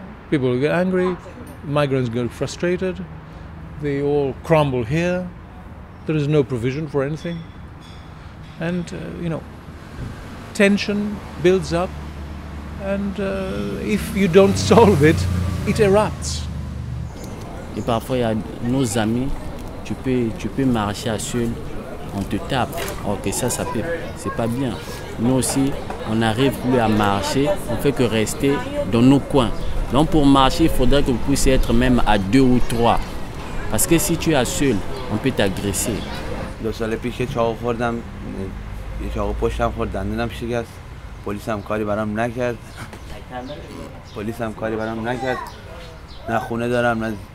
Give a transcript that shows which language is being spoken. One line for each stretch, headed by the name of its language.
English: People will get angry, migrants get frustrated, they all crumble here, there is no provision for anything, and you know. Tension builds up, and if you don't solve it, it erupts.
French: Et parfois, il y a nos amis, tu peux marcher seul, on te tape. Ok, ça peut, c'est pas bien. Nous aussi, on n'arrive plus à marcher, on fait que rester dans nos coins. Donc, pour marcher, il faudrait que vous puissiez être même à deux ou trois. Parce que si tu es seul, on peut t'agresser. Donc, ça l'épicé, tu vas voir dans.
Persian: یه چاقو پشتم خورد دندونم شکست پلیس هم کاری برام نکرد پلیس هم کاری برام نکرد نه خونه دارم نه